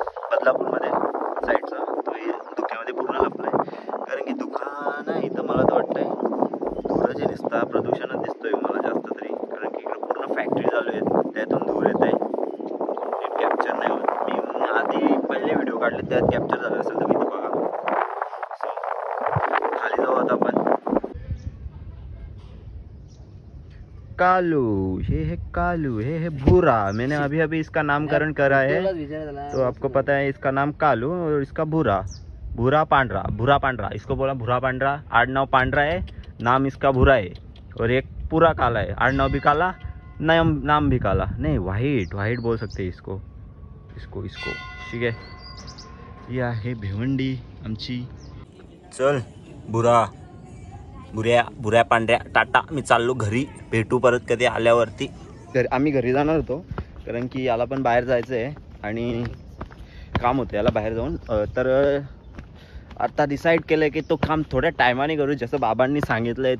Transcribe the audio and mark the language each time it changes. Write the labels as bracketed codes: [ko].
[mr] बदलापूरमध्ये साईडचा तो दुःखामध्ये पूर्ण लपला आहे कारण की दुकान इथं मला तर वाटतंय थोडं जे दिसतं प्रदूषणच दिसतोय मला जास्त तरी कारण की इकडे पूर्ण फॅक्टरी चालू आहेत त्यातून धूर येत आहे कॅप्चर नाही होत, मी आधी पहिले व्हिडिओ काढले त्यात कॅप्चर झाले असेल तर मी ते बघा. सो खाली जाऊ आता आपण [hi] कालू, ये है कालू, ये है भूरा। मैंने अभी अभी इसका नामकरण करा है, तो आपको पता है इसका नाम कालू और इसका भूरा, भूरा पांडरा, भूरा पांडरा इसको बोला, भूरा पांडरा। आठ नौ पांडरा है, नाम इसका भूरा है और एक पूरा काला है। आठ नौ भी काला, नाम भी काला, नहीं वाइट, वाइट बोल सकते इसको, इसको इसको ठीक है। यह है भिवंडी [mr] आमची। चल भूरा भुऱ्या भुऱ्या पांढऱ्या टाटा, मी चाललो घरी, भेटू परत कधी आल्यावरती। आम्ही घरी जाणार होतो कारण की याला पण बाहेर जायचं आहे आणि काम होतं याला बाहेर जाऊन, तर आता डिसाईड केलं की तो काम थोड्या टायमाने करू, जसं बाबांनी सांगितलंय।